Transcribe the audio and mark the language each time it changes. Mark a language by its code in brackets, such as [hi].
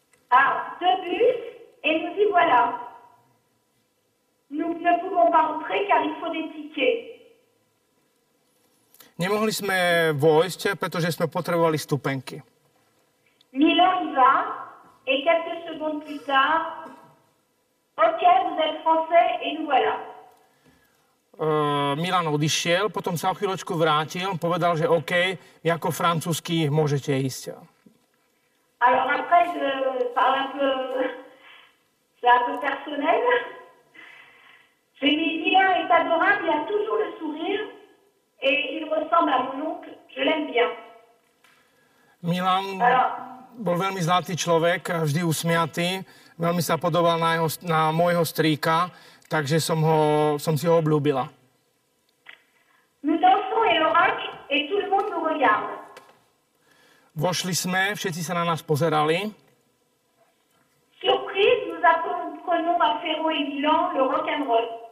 [fr] Ah, deux bus et nous y voilà. Nous ne pouvons pas entrer car il faut des tickets. [sk] Nemohli sme vojsť, pretože sme potrebovali stupenky. [fr] Milan y va et quelques secondes plus tard, ok, vous êtes français et nous voilà. [sk] Milan odišiel, potom sa o chvíľočku vrátil, povedal, že OK, vy ako francúzsky môžete ísť. [fr] Alors après, je parle un peu personnel. Je dis, Milan est adorable, il a toujours le sourire et il ressemble à mon oncle, je l'aime bien. [sk] Milan bol veľmi zlatý človek, vždy usmiatý, veľmi sa podobal na môjho strýka, takže som si ho obľúbila. [fr] Nous dansons et l'orac et tout le monde nous regarde. [sk] Vošli sme, všetci sa na nás pozerali. [fr] Surprise, nous apprenons à Ferro et Milan le rock and roll.